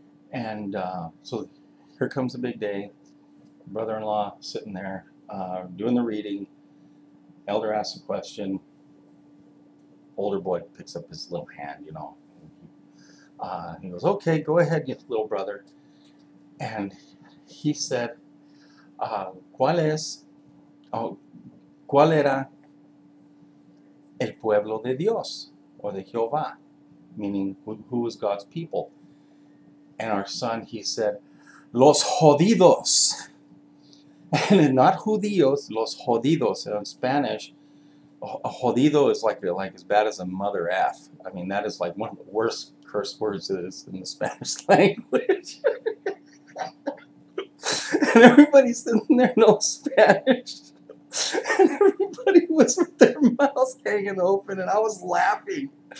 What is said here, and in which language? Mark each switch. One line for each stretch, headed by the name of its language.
English: And so here comes the big day. Brother-in-law sitting there doing the reading. Elder asks a question. Older boy picks up his little hand, you know. He goes, okay, go ahead, you little brother.
Spanish: And he said, ¿cuál era el pueblo de Dios, or de Jehová?
English: Meaning, who was God's people? And our son, he said, los jodidos.
Spanish: And not judíos, los jodidos.
English: And in Spanish, a jodido is like as bad as a mother F. I mean, that is like one of the worst curse words is in the Spanish language. And everybody's sitting there, no Spanish. And everybody was with their mouths hanging open, and I was laughing.